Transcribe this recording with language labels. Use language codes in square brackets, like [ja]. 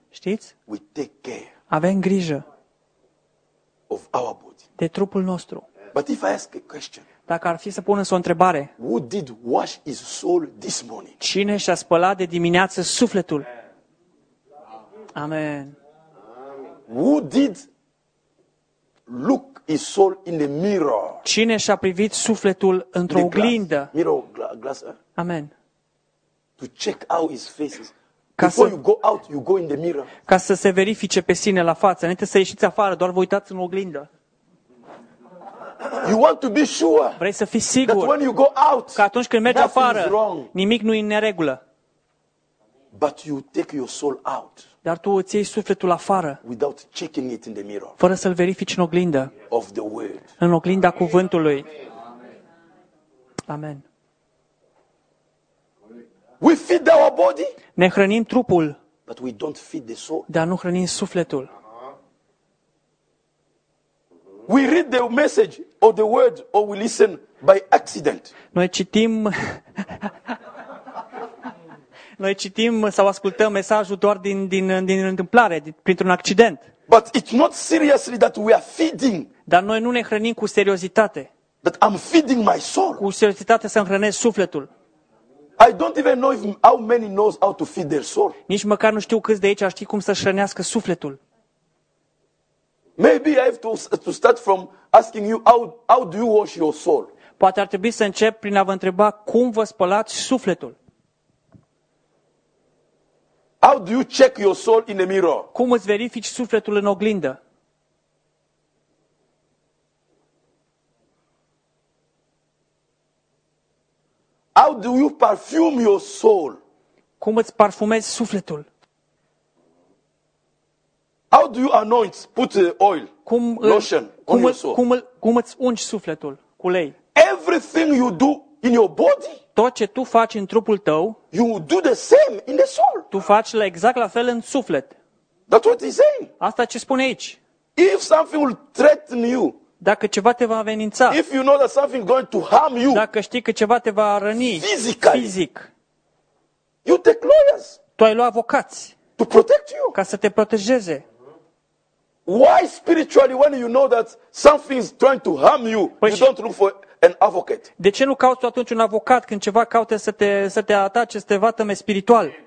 [ro] Știți? [en] We take care. [ro] Avem grijă. [en] Of our body. [ro] De trupul nostru. [en] But if I ask a question. [ro] Dacă ar fi să pună o întrebare. [en] Who did wash his soul this morning? [ro] Cine și-a spălat de dimineață sufletul? Amen. [en] Who did look his soul in the mirror? [ro] Cine și-a privit sufletul într-o oglindă? [en] Mirror glass. Amen. To check out his face. Before you go out, you go in the mirror. [ro] Ca să se verifice pe sine la față, înainte să ieșiți afară, doar vă uitați în oglindă. [en] You want to be sure. [ro] Vrei să fii sigur. [en] That when you go out. [ro] Că atunci când mergi afară, nimic nu e în neregulă. [en] But you take your soul out. [ro] Dar tu îți iei sufletul afară. [en] Without checking it in the mirror. [ro] Fără să-l verifici în oglindă. [en] Of the word. [ro] În oglinda Amen. Cuvântului. Amen. [en] We feed our body. [ro] Ne hrănim trupul. [en] But we don't feed the soul. [ro] Dar nu hrănim sufletul. [en] We read the message or the word or we listen by accident. [ro] Noi citim noi citim sau ascultăm mesajul doar din întâmplare, printr-un accident. [en] But it's not seriously that we are feeding. [ro] Dar noi nu ne hrănim cu seriozitate. [en] That I'm feeding my soul. [ro] Cu seriozitate să-mi hrănesc sufletul. [en] I don't even know if how many knows how to feed their soul. [ro] Nici măcar nu știu câți de aici știu cum să hrănească sufletul. [en] Maybe I have to start from asking you how do you wash your soul? [ro] Poate ar trebui să încep prin a vă întreba cum vă spălați sufletul. [en] How do you check your soul in the mirror? [ro] Cum îți verifici sufletul în oglindă? [en] How do you perfume your soul? [ro] Cum îți parfumezi sufletul? [en] How do you anoint, put oil, [ro] cum [en] lotion [ro] cum [en] on your soul? [ro] Cum îți ungi sufletul cu ulei? [en] Everything you do in your body, [ro] tot ce tu faci în trupul tău, [en] you do the same in the soul. [ro] Tu faci exact la fel în suflet. [en] That's what he's saying. [ro] Asta ce spune aici. [en] If something will threaten you, [ro] dacă ceva te va amenința, [en] if you know that something going to harm you, [ro] dacă știi că ceva te va răni fizic, [en] you take lawyers, [ro] tu ai luat avocați [en] to protect you, [ro] ca să te protejeze. [en] Why spiritually when you know that something is trying to harm you, [ro] păi [en] you [ro] și... [en] don't look for an advocate? [ro] De ce nu cauți atunci un avocat când ceva caută să te atace, să te vatăme spiritual?